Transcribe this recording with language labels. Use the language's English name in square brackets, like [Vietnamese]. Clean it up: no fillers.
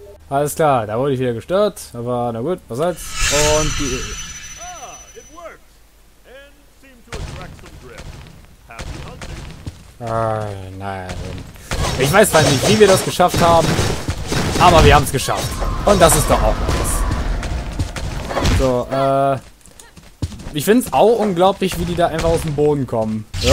[German] Alles klar, da wurde ich wieder gestört, aber na gut, was soll's. Und die. [English] Ah, it worked. And seemed to attract some drift. Happy hunting. [German] Nein. Ich weiß zwar nicht, wie wir das geschafft haben, aber wir haben es geschafft. Und das ist doch auch was. So, ich find's auch unglaublich, wie die da einfach aus dem Boden kommen.